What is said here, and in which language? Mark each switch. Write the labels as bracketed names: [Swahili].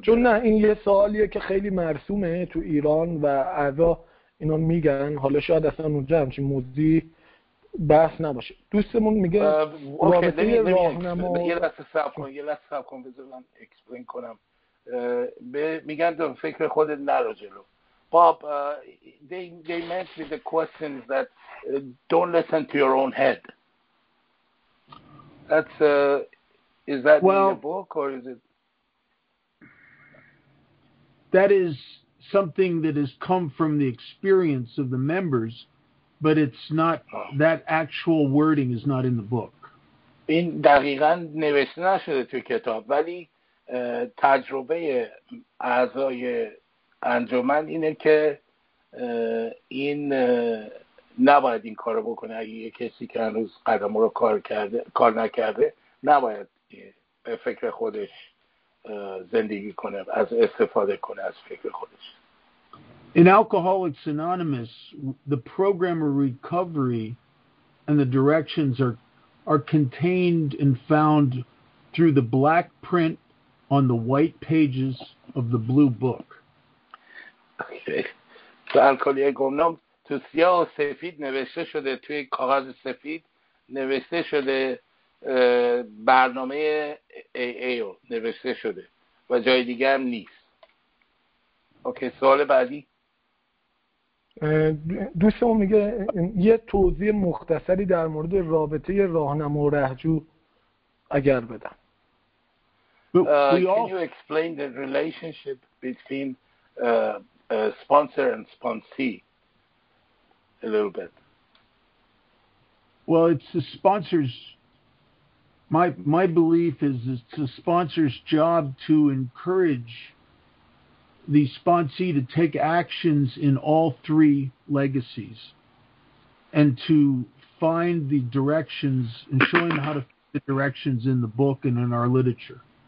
[Persian] چون نه این یه سوالیه که خیلی مرسومه تو ایران و اعضا اینا میگن. حالا شاید اصلا اونجا همچی موضوعی بحث نباشه. دوستمون میگه رابطه راهنما یه لحظه صبر کن بذار من اکسپلین کنم. میگن تو فکر خودت نرو جلو. [English] Bob, they meant with the questions that don't listen to your own head. That's is that well, in your book or is it? That is something that has come from the experience of the members, but it's not that actual wording is not in the book. [Persian] این دقیقاً نوشته نشده توی کتاب ولی تجربه اعضای انجامن اینه که این نباید این کارو بکنه. اگه یه کسی که هنوز قدم رو کار نکرده نباید به فکر خودش زندگی کنه از استفاده کنه از فکر خودش. [English] In Alcoholics Anonymous the program of recovery and the directions are contained and found through the black print on the white pages of the blue book. [Persian] تو الکلیه گمنام تو سیاه و سفید نوشته شده توی کاغذ سفید نوشته شده برنامه AA نوشته شده و جای دیگه هم نیست. اوکی سوال بعدی دوستمون میگه یه توضیح مختصری در مورد رابطه راهنما و رهجو اگر بدم. [English] Can you explain the relationship between sponsor and sponsee a little bit? Well, it's the sponsor's my belief is it's the sponsor's job to encourage the sponsee to take actions in all three legacies and to find the directions and show him how to find the directions in the book and in our literature.